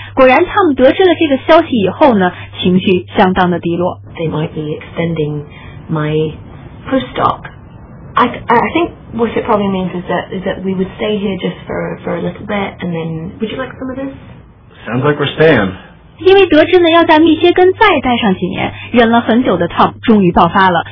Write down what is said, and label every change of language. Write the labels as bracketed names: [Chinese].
[Chinese] 果然 Tom 得知了这个消息以后呢情绪相当的低落。 [English] They might be extending my postdoc. I think what it probably means is that we would stay here just for a little bit and then would you like some of this? Sounds like we're staying. [Chinese] 因为得知呢要在密歇根再待上几年，忍了很久的 Tom 终于爆发了。